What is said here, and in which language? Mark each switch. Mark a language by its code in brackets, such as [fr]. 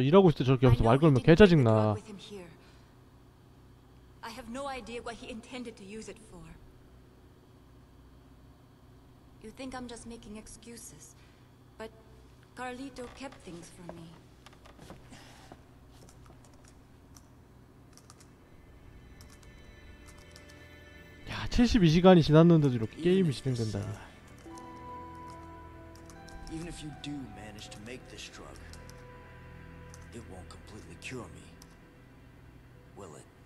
[ko] 일하고 있을 때 저렇게 옆에서 말 걸면 개짜증나. [en] I have no idea what he intended to use it for. You think I'm just making excuses, but Carlito kept things from me. [ko] Yeah, 72시간이 지났는데도 이렇게 게임이 진행된다. [en] Even if you do manage to make this drug, it won't completely cure me, will it?